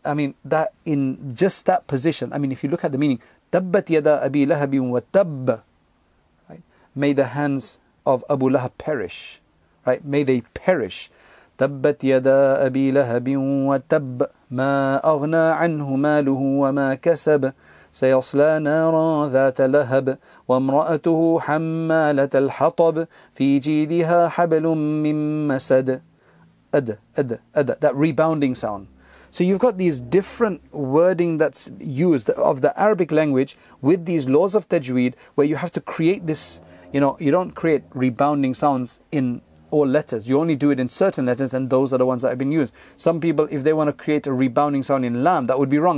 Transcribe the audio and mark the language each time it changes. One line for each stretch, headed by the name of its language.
English: I mean, that in just that position, I mean, if you look at the meaning,
Arabic: tabbat yada abi lahabin wa tab,
English: right? May the hands of Abu Lahab perish, right? May they perish.
Arabic: تبت يدا أبي لهب وتب ما أغنى عنه ماله وما كسب سيصلى نارا ذات لهب وامرأته حمالة الحطب في جيدها حبل من مسد
English: أد أد أد that rebounding sound. So you've got these different wording that's used of the Arabic language with these laws of tajweed where you have to create this, you know, you don't create rebounding sounds in all letters. You only do it in certain letters and those are the ones that have been used. Some people, if they want to create a rebounding sound in lam, that would be wrong.